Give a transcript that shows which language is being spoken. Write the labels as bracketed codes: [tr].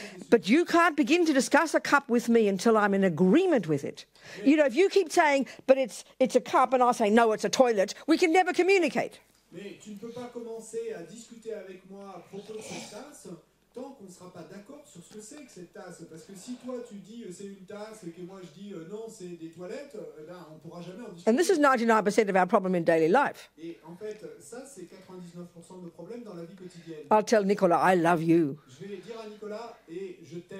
[en] But you can't begin to discuss a cup with me until I'm in agreement with it. Yeah. You know, if you keep saying, but it's a cup, and I say, no, it's a toilet, we can never communicate. [fr] Mais tu ne peux pas commencer à discuter avec moi à propos de cette tasse. Tant qu'on ne sera pas d'accord sur ce que c'est que cette tasse, parce que si toi tu dis c'est une tasse et que moi je dis non c'est des toilettes, là on pourra jamais en discuter. [en] And this is 99% of our problem in daily life. [fr] Et en fait ça c'est 99% de nos problèmes dans la vie quotidienne. [en] I'll tell Nicolas I love you. [fr] Je vais dire à Nicolas et je t'aime.